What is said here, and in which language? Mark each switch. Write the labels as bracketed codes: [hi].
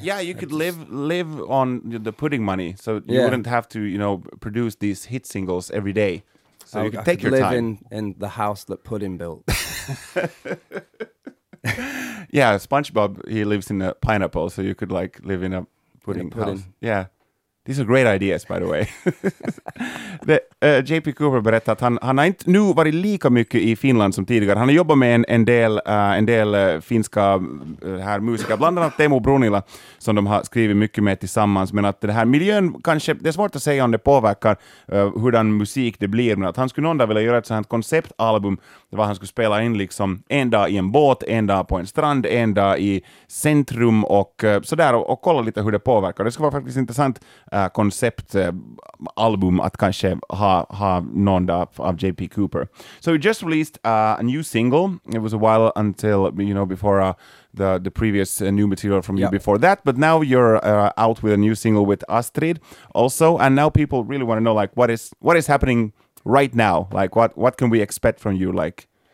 [en] Yeah, you could live on the pudding money. So you wouldn't have to, you know, produce these hit singles every day. So you could take your time. In the house that pudding built. Yeah, SpongeBob, he lives in a pineapple, so you could like live in a pudding house. Yeah, these are great ideas, by the way. J.P. [sv] Cooper berättade att han har inte nu varit lika mycket i Finland som tidigare. Han har jobbat med en del finska här musiker, bland annat Teemu Brunila, som de har skrivit mycket med tillsammans. Men att det här miljön kanske, det är svårt att säga om det påverkar hurdan musik det blir. Men att han skulle någon dag vilja göra ett sånt konceptalbum där han skulle spela in liksom en dag i en båt, en dag på en strand, en dag i centrum och sådär. Och kolla lite hur det påverkar. Det skulle vara faktiskt intressant konceptalbum att kanske ha någon av J.P. [en] Cooper. So he just released a new single. It was a while until, you know, before the previous new material from you before that. But now you're out with a new single with Astrid also. And now people really want to know, like, what is happening right now? Like, what can we expect from you, like,